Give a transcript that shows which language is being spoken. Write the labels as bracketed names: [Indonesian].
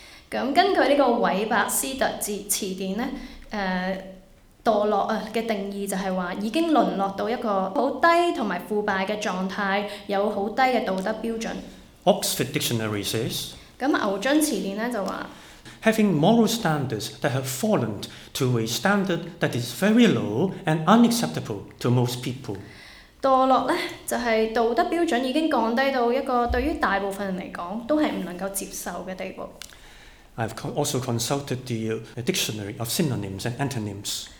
[Cantonese] 咁根據呢個韋伯斯特詞典咧，墮落啊嘅定義就係話已經淪落到一個好低同埋腐敗嘅狀態，有好低嘅道德標準。 [English] Oxford dictionary says。 [Cantonese] 咁牛津詞典咧就話。 [English] Having moral standards that have fallen to a standard that is very low and unacceptable to most people. [Cantonese] 墮落咧就係道德標準已經降低到一個對於大部分人嚟講都係唔能夠接受嘅地步。 [English] I've also consulted the dictionary of synonyms and antonyms.